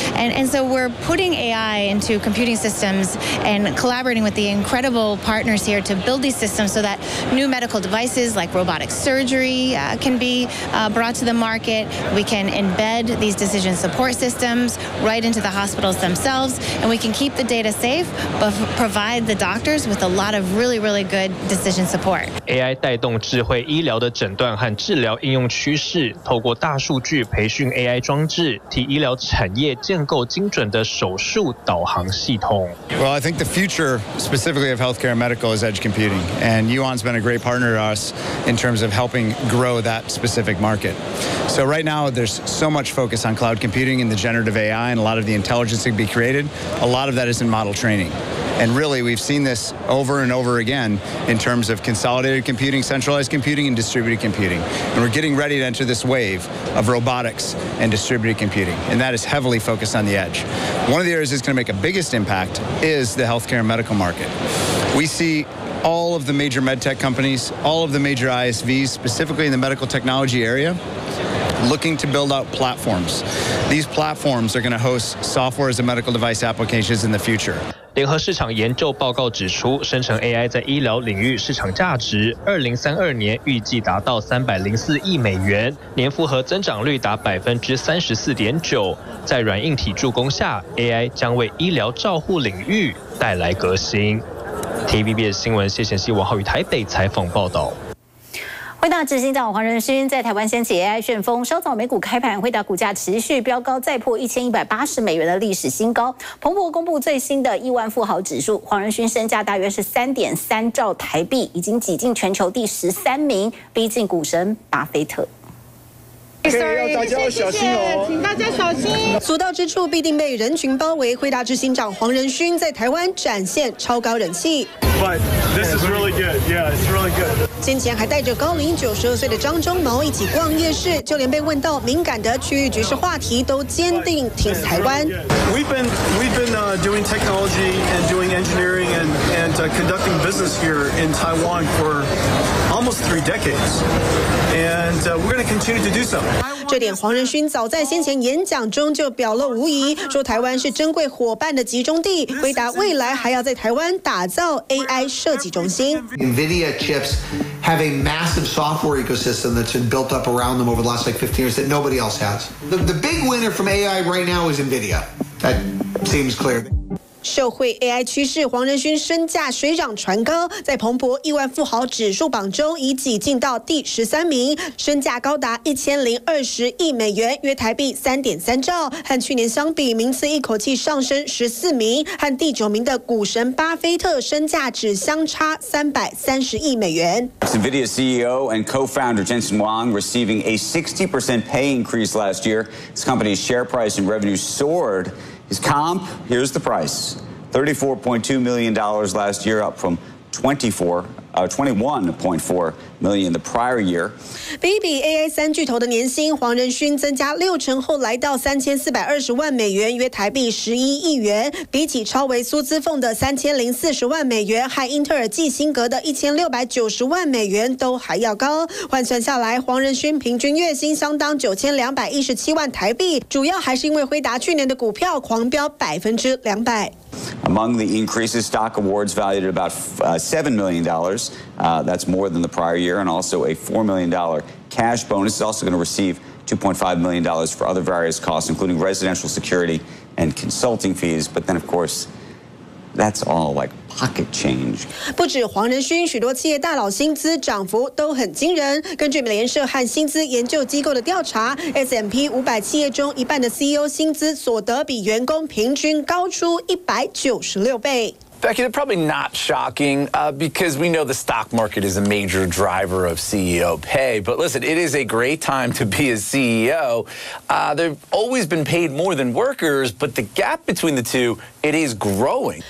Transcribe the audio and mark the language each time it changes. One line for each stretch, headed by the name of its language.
English: And so we're putting AI into computing systems and collaborating with the incredible partners here to build these systems so that new medical devices like robotic surgery can be brought to the market. We can embed these decision support systems right into the hospitals themselves, and we can keep the data safe, but provide the doctors with a lot of really, really good decision support.
Chinese: AI 带动智慧医疗的诊断和治疗应用趋势，透过大数据培训 AI 装置，替医疗产业建构精准的手术导航系统。
English: Well, I think the future specifically of healthcare and medical is edge computing, and Yuan's been a great partner to us in terms of helping grow that specific market. So right now there's so much focus on cloud computing and the generative AI and a lot of the intelligence that can be created. A lot of that is in model training. And really, we've seen this over and over again in terms of consolidated computing, centralized computing, and distributed computing. And we're getting ready to enter this wave of robotics and distributed computing. And that is heavily focused on the edge. One of the areas that's going to make a biggest impact is the healthcare and medical market. We see all of the major med tech companies, all of the major ISVs, specifically in the medical technology area, looking to build out platforms. These platforms are going to host software as a medical device applications in the future.
Chinese: 联合市场研究报告指出，生成 AI 在医疗领域市场价值2032年预计达到$304亿，年复合增长率达 34.9%。在软硬体助攻下， AI 将为医疗照护领域带来革新。 TVBS 新闻谢贤希王浩宇台北采访报道。辉达执行长黄仁勋在台湾掀起 AI 旋风，稍早美股开盘，辉达股价持续飙高，再破$1180的历史新高。彭博公布最新的亿万富豪指数，黄仁勋身价大约是3.3兆台币，已经挤进全球第13名，逼近股神巴菲特。请大家小心。所到之处必定被人群包围。辉达执行长黄仁勋在台湾展现超高人气。
English: But this is really good.
Chinese: 先前还带着高龄92岁的张忠谋一起逛夜市，就连被问到敏感的区域局势话题，都坚定挺台湾。
English: We've been doing technology and doing engineering and conducting business here in Taiwan for almost 3 decades, and we're going to continue to do so.
Chinese: 这点黄仁勋早在先前演讲中就表露无疑，说台湾是珍贵伙伴的集中地，回答未来还要在台湾打造 AI 设计中心。
English: NVIDIA chips have a massive software ecosystem that's been built up around them over the last like 15 years that nobody else has. The big winner from AI right now is NVIDIA. That seems clear.
Chinese: 受惠 AI 趋势，黄仁勋身价水涨船高，在彭博亿万富豪指数榜中已挤进到第13名，身价高达$1020亿，约台币3.3兆，和去年相比，名次一口气上升14名，和第9名的股神巴菲特身价只相差$330亿。
English: NVIDIA CEO and co-founder Jensen Huang receiving a 60% pay increase last year. His company's share price and revenue soared. His comp, here's the price, $34.2 million last year, up from $21.4 million the prior year.
Chinese: 比比 AI 三巨头的年薪，黄仁勋增加60%后来到$3420万，约台币$11亿。比起超维苏姿凤的$3040万和英特尔季辛格的$1690万都还要高。换算下来，黄仁勋平均月薪相当$9217万，主要还是因为辉达去年的股票狂飙200%。
English: Among the increases, stock awards valued at about $7 million. That's more than the prior year, and also a $4 million cash bonus. It's also going to receive $2.5 million for other various costs, including residential security and consulting fees. But then, of course, that's all like pocket change.
Chinese: 不止黄仁勋，许多企业大佬薪资涨幅都很惊人。根据美联社和薪资研究机构的调查 ，S&P 500企业中一半的 CEO 薪资所得比员工平均高出196倍。
English: Becky, they're probably not shocking, because we know the stock market is a major driver of CEO pay. But listen, it is a great time to be a CEO. They've always been paid more than workers, but the gap between the two, it is growing.